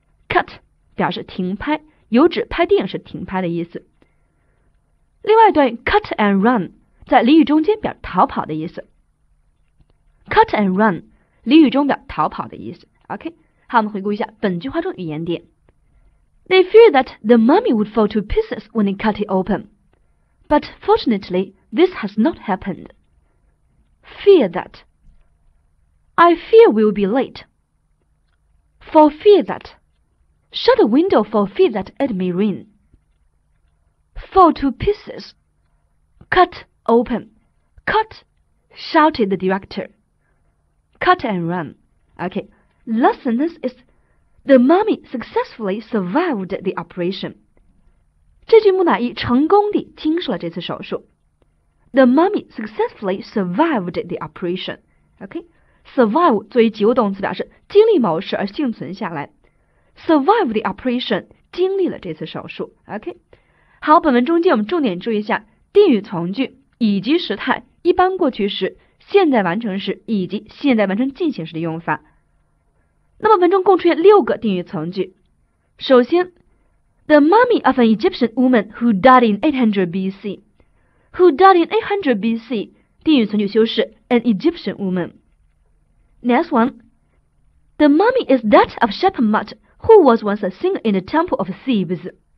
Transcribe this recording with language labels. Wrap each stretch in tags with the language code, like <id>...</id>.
<zh>Cut, 表示停拍，有指拍电影时停拍的意思。另外一段</zh> <en>cut and run,</en> <zh>在俚语中间表逃跑的意思。</zh> <en>Cut and run,</en> <zh>俚语中表逃跑的意思。 OK, 好，我们回顾一下本句话中语言点。</zh> <en>They feared that the mummy would fall to pieces when they cut it open. But fortunately, this has not happened. Fear that. I fear we'll be late. For fear that. Shut the window for fear that it may rain. Fall to pieces. Cut open. Cut, shouted the director. Cut and run. Okay, last sentence is, the mummy successfully survived the operation.</en> <zh>这具木乃伊成功地经受了这次手术。</zh> <en>The mummy successfully survived the operation. OK, survive</en> <zh>作为及物动词表示经历某事而幸存下来。</zh> <en>Survive the operation</en> <zh>经历了这次手术。 OK, 好，本文中间我们重点注意一下定语从句以及时态、一般过去时、现在完成时以及现在完成进行时的用法。那么文中共出现六个定语从句。首先，</zh> <en>The mummy of an Egyptian woman who died in 800 BC. Who died in 800 BC?</en> <zh>定语从句修饰</zh> <en>an Egyptian woman. Next one. The mummy is that of Shepemut, who was once a singer in the temple of Thebes.</en>